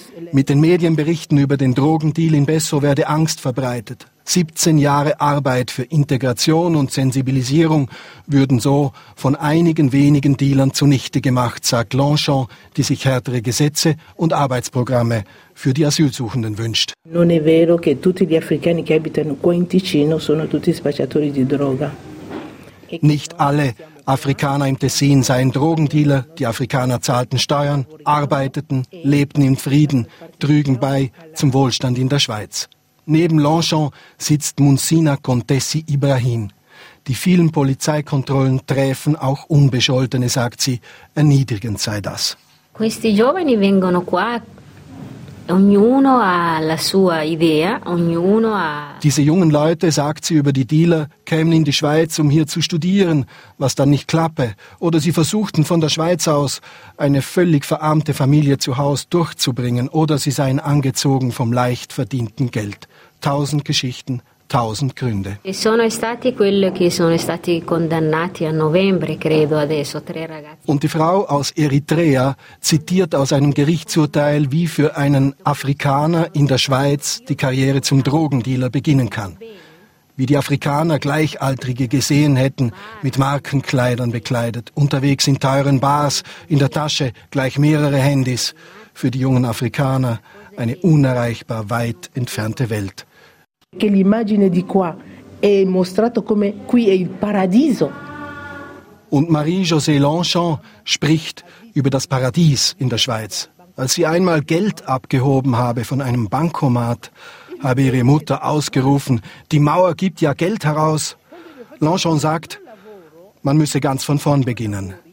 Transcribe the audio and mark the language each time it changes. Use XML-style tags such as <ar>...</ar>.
<de>Mit den Medienberichten über den Drogendeal in Besso werde Angst verbreitet. 17 Jahre Arbeit für Integration und Sensibilisierung würden so von einigen wenigen Dealern zunichte gemacht, sagt Longchamp, die sich härtere Gesetze und Arbeitsprogramme für die Asylsuchenden wünscht.</de> <it>Non è vero che tutti gli africani che abitano qua in Ticino sono tutti spacciatori di droga.</it> <de>Nicht alle Afrikaner im Tessin seien Drogendealer, die Afrikaner zahlten Steuern, arbeiteten, lebten in Frieden, trügen bei zum Wohlstand in der Schweiz. Neben Longchamp sitzt Munsina Contessi Ibrahim. Die vielen Polizeikontrollen treffen auch Unbescholtene, sagt sie, erniedrigend sei das.</de> <it>Questi giovani vengono qua. Ognuno ha la sua idea, ognuno ha.</it> <de>Diese jungen Leute, sagt sie über die Dealer, kämen in die Schweiz, um hier zu studieren, was dann nicht klappe. Oder sie versuchten von der Schweiz aus, eine völlig verarmte Familie zu Hause durchzubringen. Oder sie seien angezogen vom leicht verdienten Geld. 1000 Geschichten, 1000 Gründe.</de> <it>E sono stati quelli che sono stati condannati a novembre, credo adesso, 3 ragazzi.</it> <de>Und die Frau aus Eritrea zitiert aus einem Gerichtsurteil, wie für einen Afrikaner in der Schweiz die Karriere zum Drogendealer beginnen kann. Wie die Afrikaner Gleichaltrige gesehen hätten, mit Markenkleidern bekleidet, unterwegs in teuren Bars, in der Tasche gleich mehrere Handys. Für die jungen Afrikaner eine unerreichbar weit entfernte Welt.</de> <it>Che l'immagine di qua è mostrato come qui è il paradiso.</it> <de>Und Marie-José Longchamp spricht über das Paradies in der Schweiz. Als sie einmal Geld abgehoben habe von einem Bankomat, habe ihre Mutter ausgerufen, die Mauer gibt ja Geld heraus. Longchamp sagt, man müsse ganz von vorn beginnen.</de>